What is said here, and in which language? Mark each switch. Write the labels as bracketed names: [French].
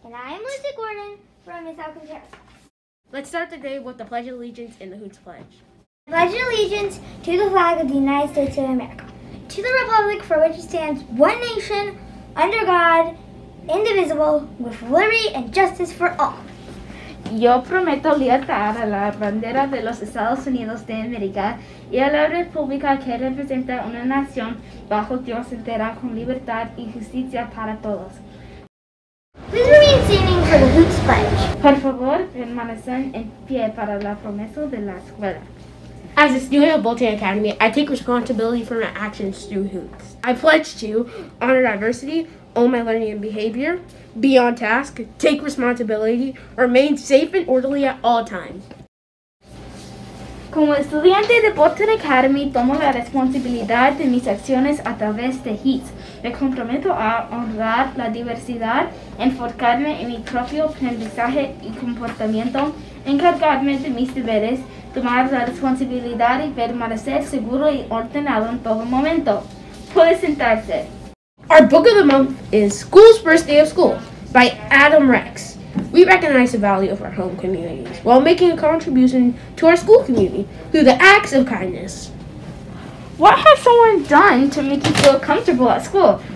[English] And I am Lucy Gordon from Miss Alcantara's class. Let's start the day with the Pledge of Allegiance and the Hoots Pledge. I pledge allegiance to the flag of the United States of America, to the Republic for which it stands, one nation, under God, indivisible, with liberty and justice for all. [Spanish] Yo prometo lealtad a la bandera de los Estados Unidos de América y a la República que representa una nación bajo Dios entera con libertad y justicia para todos. [English] Please remain standing for the Hoots Pledge. [Spanish] Por favor, permanezcan en pie para la promesa de la escuela. [English] As a student of Bolton Academy, I take responsibility for my actions through Hoots. I pledge to honor diversity, own my learning and behavior, be on task, take responsibility, remain safe and orderly at all times. [Spanish] Como estudiante de Bolton Academy, tomo la responsabilidad de mis acciones a través de HEATS. Me comprometo a honrar la diversidad, enfocarme en mi propio aprendizaje y comportamiento, encargarme de mis deberes, tomar la responsabilidad y permanecer seguro y ordenado en todo momento. Puede sentarse. [English] Our book of the month is School's First Day of School by Adam Rex. We recognize the value of our home communities while making a contribution to our school community through the acts of kindness. What has someone done to make you feel comfortable at school?